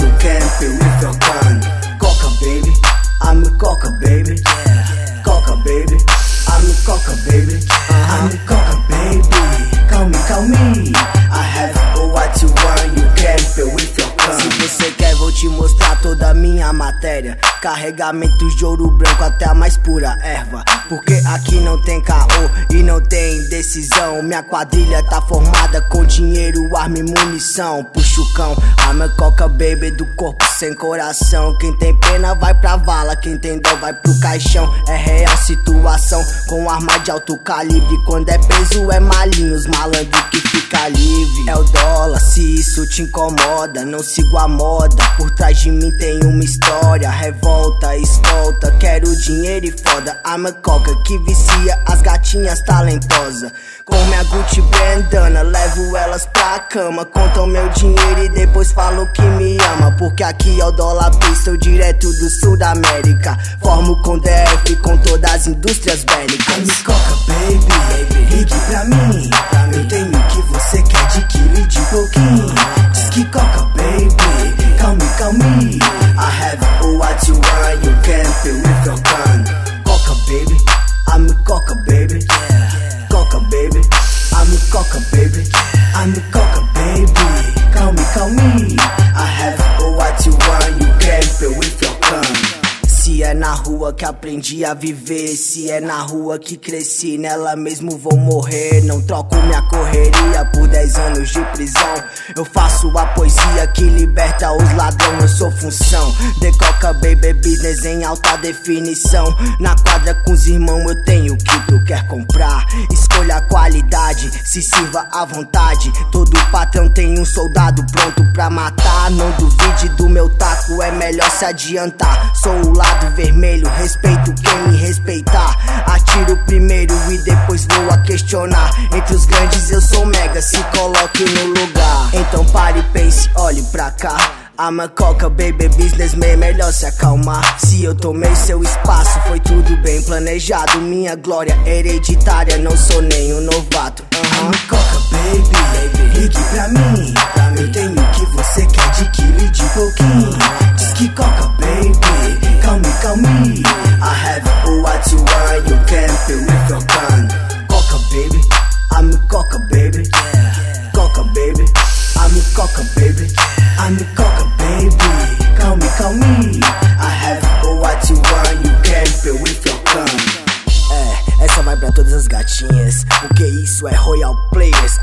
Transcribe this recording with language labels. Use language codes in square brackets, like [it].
[en] You can feel with your gun. Coca baby. I'm a coca baby. Coca baby. I'm a coca baby. I'm a coca baby. Call me, call me. I have what you want. You can feel with your gun. [pt] Se você quer, vou te mostrar toda a minha matéria. Carregamentos de ouro branco até a mais pura erva. Porque aqui não tem caô e não tem decisão. Minha quadrilha tá formada com dinheiro, arma e munição. Puxa o cão, arma coca baby do corpo sem coração. Quem tem pena vai pra vala, quem tem dó vai pro caixão. É real situação com arma de alto calibre. Quando é preso é malinho, os malandro que fica livre. É o dólar, se isso te incomoda, não sigo a moda. Por trás de mim tem uma história. Volta, escolta, quero dinheiro e foda. [en] I'm a coca [pt] que vicia as gatinhas talentosas. Com minha Gucci bandana, levo elas pra cama. Contam meu dinheiro e depois falam que me ama. Porque aqui é o dólar pistol, direto do sul da América. Formo com DF, com todas as indústrias bélicas. [en] I'm a coca baby, [pt] ligue pra mim. Eu tenho o que você quer de quilo e de pouquinho. Diz que [en] coca baby, call me, call me. I have what you want, you can feel with your gun. Coca baby, I'm a coca baby. Coca baby, I'm a coca baby. I'm a coca baby, call me, call me. I have what you want, you can feel with your gun. [pt] Se é na rua que aprendi a viver, se é na rua que cresci, nela mesmo vou morrer. Não troco minha correria por 10 anos de prisão. Eu faço a poesia que liberta os ladrões, eu sou função. [en] The coca baby business [pt] em alta definição. Na quadra com os irmãos eu tenho o que tu quer comprar. Escolha a qualidade, se sirva à vontade. Todo patrão tem um soldado pronto pra matar. Não duvide do meu taco, é melhor se adiantar. Sou o lado vermelho, respeito quem me respeitar. Atiro primeiro e depois vou a questionar. Entre os grandes eu sou mega, se coloque no lugar. Então pare, pense, olhe pra cá. [en] I'm a coca baby businessman, [pt] melhor se acalmar. Se eu tomei seu espaço, foi tudo bem planejado. Minha glória hereditária, não sou nenhum novato. [en] I'm a coca baby, [pt] ligue pra mim. Eu tenho o que você quer de quilo e de pouquinho. Diz que [en] coca baby, call me, call me. I have what you want, you can feel with your gun. Coca baby, I'm a coca baby. Coca baby, I'm a coca baby. I'm a coca baby, call me, call me. I have what you want, you can feel with your gun. [pt] Essa vai pra todas as gatinhas. O que isso é Royal Players?